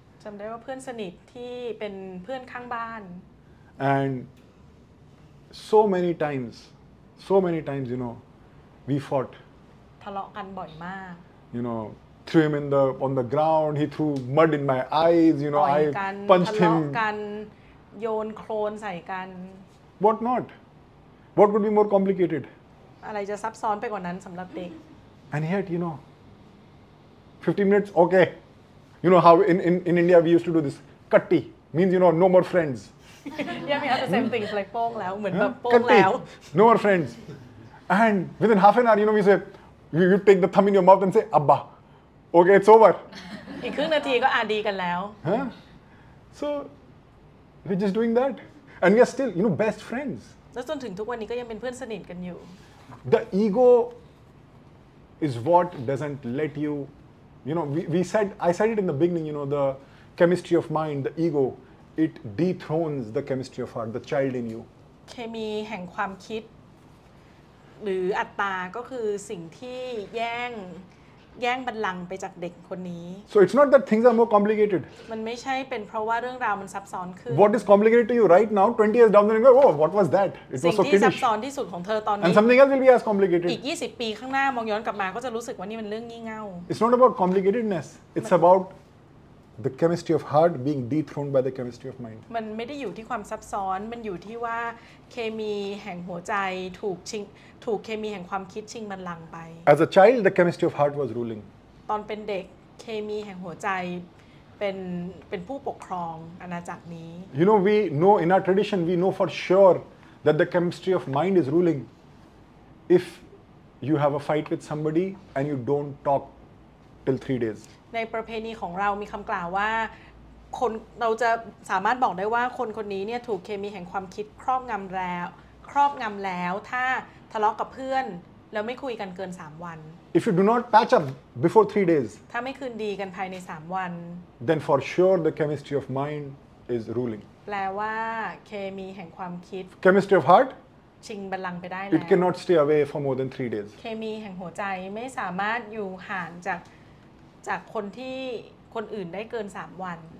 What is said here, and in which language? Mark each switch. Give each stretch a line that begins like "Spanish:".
Thai: จำได้ว่าเพื่อนสนิทที่เป็นเพื่อนข้างบ้าน
English: And so many times, you know, we fought.
Thai: ทะเลาะกันบ่อยมาก
English: You know. Threw him in the on the ground. He threw mud in my eyes. You know, I punched him.
Thai: โยนโครนใส่กัน
English: What not? What would be more complicated?
Thai: อะไรจะซับซ้อนไปกว่านั้นสำหรับเด็ก
English: And yet, you know, 15 minutes. Okay, you know how in India we used to do this. Katti means you know no more friends. Yeah, we have the same things like pong
Thai: แล้วเหมือนแบบ pong แล้ว
English: No more friends. And within half an hour, you know, we say you take the thumb in your mouth and say Abba. Okay, it's over.
Thai: อีกครึ่งนาทีก็อาดีกันแล้ว
English: So we're just doing that, and we're still, you know, best friends.
Thai: แล้วจนถึงทุกวันนี้ก็ยังเป็นเพื่อนสนิทกันอยู่
English: The ego is what doesn't let you, you know. I said it in the beginning. You know, the chemistry of mind, the ego, it dethrones the chemistry of heart, the child in you.
Thai: เคมีแห่งความคิดหรืออัตตาก็คือสิ่งที่แย่งบัลลังก์ไปจากเด็กคนนี้
English: So it's not that things are more complicated
Thai: มันไม่ใช่เป็นเพราะว่าเรื่องราวมันซับซ้อนขึ้น
English: What is complicated to you right now 20 years down the road Oh what was that It was so kiddish
Thai: สิ่งที่ซับซ้อนที่สุดของเธอตอนนี้
English: And something else will be as complicated
Thai: อีก20ปีข้างหน้ามองย้อนกลับมาก็จะรู้สึกว่านี่มันเรื่องงี่เง่า
English: It's not about complicatedness It's about the chemistry of heart being dethroned by the chemistry of mind
Thai: มันไม่ได้อยู่ที่ความซับซ้อนมันอยู่ที่ว่าเคมีแห่งหัวใจถูกเคมีแห่งความคิดชิงบัลลังก์ไป
English: As a child the chemistry of heart was ruling
Thai: ตอนเป็นเด็กเคมีแห่งหัวใจเป็นผู้ปกครองอาณาจักรนี้
English: You know we know in our tradition we know for sure that the chemistry of mind is ruling if you have a fight with somebody and you don't talk till 3 days
Thai: ในประเพณีของเรามีคำกล่าวว่าคนเราจะสามารถบอกได้ว่าคนคนนี้เนี่ยถูกเคมีแห่งความคิดครอบงำแล้วถ้าทะเลาะกับเพื่อนแล้วไม่คุยกันเกิน3วัน
English: If you do not patch up before 3 days
Thai: ถ้าไม่คืนดีกันภายใน3วัน
English: Then for sure the chemistry of mind is ruling
Thai: แปลว่าเคมีแห่งความคิด
English: Chemistry of heart
Thai: ชิงบัลลังก์ไปได้แล้ว
English: It cannot stay away for more than 3 days
Thai: เคมีแห่งหัวใจไม่สามารถอยู่ห่างจากคนที่คนอื่นได้เกิน3วัน